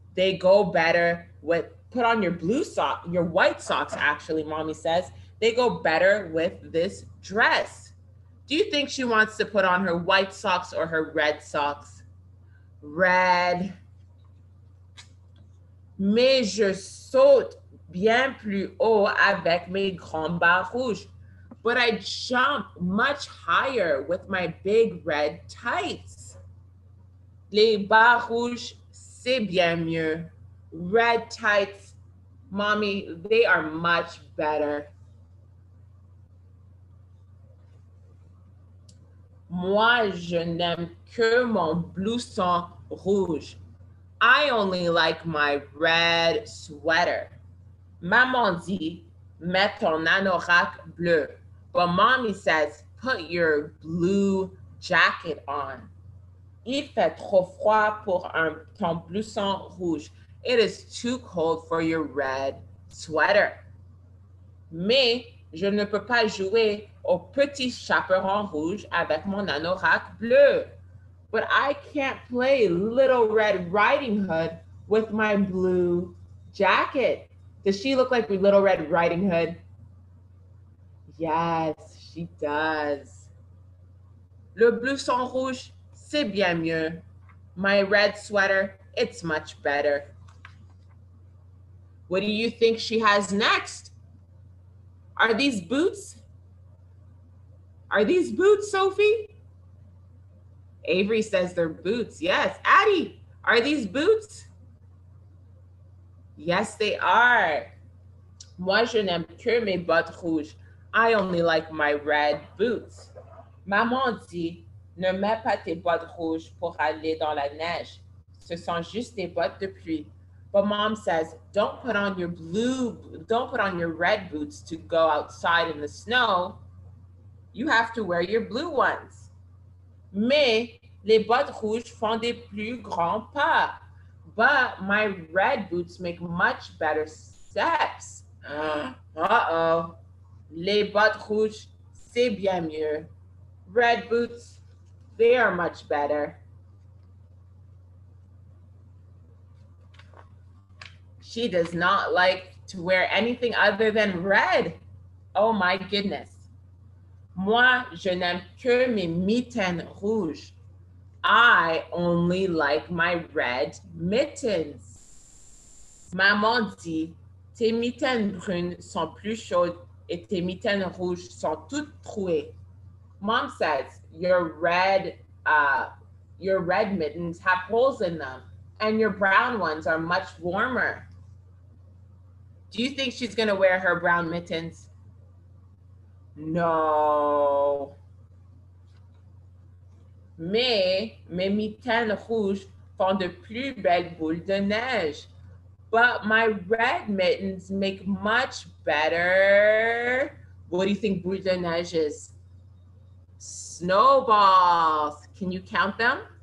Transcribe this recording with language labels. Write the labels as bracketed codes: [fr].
[en] They go better with, put on your blue sock, your white socks, actually, mommy says. They go better with this dress. Do you think she wants to put on her white socks or her red socks? Red. [fr] Mais je saute bien plus haut avec mes grands bas rouges. [en] But I jump much higher with my big red tights. [fr] Les bas rouges, c'est bien mieux. [en] Red tights, mommy, they are much better. [fr] Moi, je n'aime que mon blouson rouge. [en] I only like my red sweater. [fr] Maman dit, mets ton anorak bleu. [en] But mommy says, put your blue jacket on. [fr] Il fait trop froid pour ton blouson rouge. [en] It is too cold for your red sweater. [fr] Mais je ne peux pas jouer au petit chaperon rouge avec mon anorak bleu. [en] But I can't play Little Red Riding Hood with my blue jacket. Does she look like Little Red Riding Hood? Yes, she does. [fr] Le blouson rouge, c'est bien mieux. [en] My red sweater, it's much better. What do you think she has next? Are these boots? Are these boots, Sophie? Avery says they're boots. Yes, Addie, are these boots? Yes, they are. [fr] Moi, je n'aime que mes bottes rouges. [en] I only like my red boots. [fr] Maman dit, ne mets pas tes bottes rouges pour aller dans la neige. Ce sont juste des bottes de pluie. [en] But mom says, don't put on your red boots to go outside in the snow. You have to wear your blue ones. [fr] Mais les bottes rouges font des plus grands pas. [en] But my red boots make much better steps. [fr] Uh-oh. Les bottes rouges, c'est bien mieux. [en] Red boots, they are much better. She does not like to wear anything other than red. Oh my goodness. [fr] Moi, je n'aime que mes mitaines rouges. [en] I only like my red mittens. [fr] Maman dit, tes mitaines brunes sont plus chaudes et tes mitaines rouges sont toutes trouées. [en] Mom says, your red mittens have holes in them and your brown ones are much warmer. Do you think she's gonna wear her brown mittens? No. [fr] Mais mes mitaines rouges font de plus belles boules de neige. [en] But my red mittens make much better. What do you think boules de neige is? Snowballs. Can you count them?